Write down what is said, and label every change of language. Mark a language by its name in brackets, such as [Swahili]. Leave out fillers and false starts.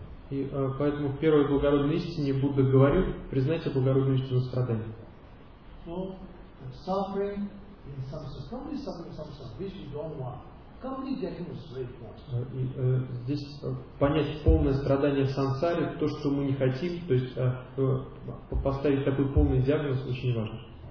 [Russian] И поэтому в первой благородной истине Будда говорил, признайте благородную истину страдания. [English] So, suffering in samsara, complete suffering in samsara, which we don't want. Complete diagnosis is very important. [Russian] И здесь понять полное страдание в сансаре, то, что мы не хотим, то есть поставить такой полный диагноз, очень важно.